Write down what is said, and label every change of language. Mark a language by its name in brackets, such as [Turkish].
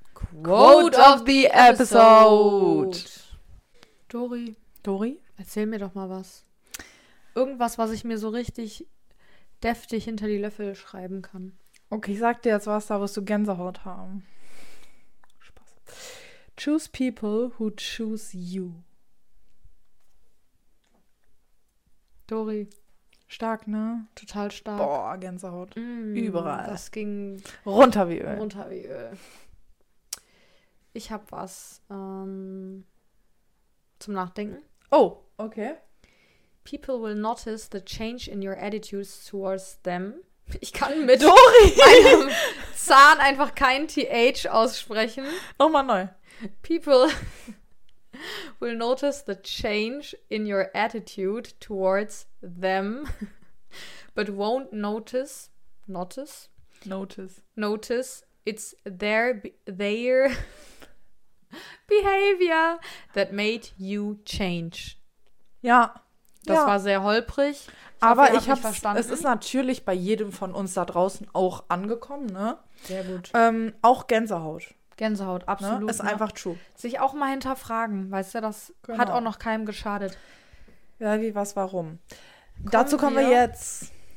[English] Quote of the episode. Dori. [German] Erzähl mir doch mal was. Irgendwas, was ich mir so richtig deftig hinter die Löffel schreiben kann. Okay, ich sag dir jetzt was, da wirst du Gänsehaut haben. Spaß. [English] Choose people who choose you. Dori. [German] Stark, ne? Total stark. Boah, Gänsehaut. Mm, überall. Das ging runter wie Öl. Runter wie Öl. Ich hab was zum Nachdenken. Oh, okay. [English] People will notice the change in your attitudes towards them. [German] Ich kann mit Dori meinem Zahn einfach kein TH aussprechen. Nochmal neu. [English] People will notice the change in your attitude towards them, but won't notice its their behavior that made you change. [German] Ja. Das war sehr holprig. Aber ich habe verstanden. Es ist natürlich bei jedem von uns da draußen auch angekommen, ne? Sehr gut. Auch Gänsehaut. Gänsehaut, absolut. Ne? Ist einfach true. Sich auch mal hinterfragen, weißt du, das hat auch noch keinem geschadet. Ja, wie, was, warum? Dazu kommen wir jetzt.